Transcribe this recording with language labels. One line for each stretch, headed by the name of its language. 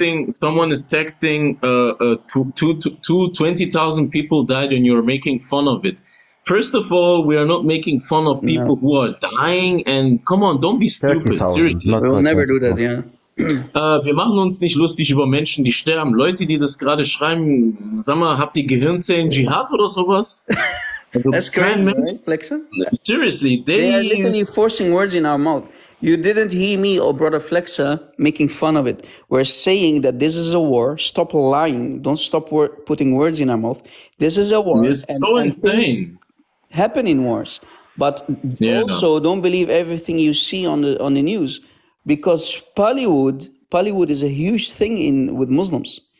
English: Someone is texting, 20,000 people died and you're making fun of it. First of all, we are not making fun of people who are dying, and come on, don't be stupid, seriously. We will never do that, yeah.
German: Wir machen uns nicht lustig über Menschen, die sterben. Leute, die das gerade schreiben, sag mal, habt ihr Gehirnzellen, Jihad oder sowas?
English: That's crazy, right, Flexa? Seriously, they are literally forcing words in our mouth. You didn't hear me or brother Flexa making fun of it. We're saying that this is a war. Stop lying. Don't stop putting words in our mouth. This is a war. It's so insane. Happen in wars, but also don't believe everything you see on the news, because Pollywood is a huge thing in with Muslims.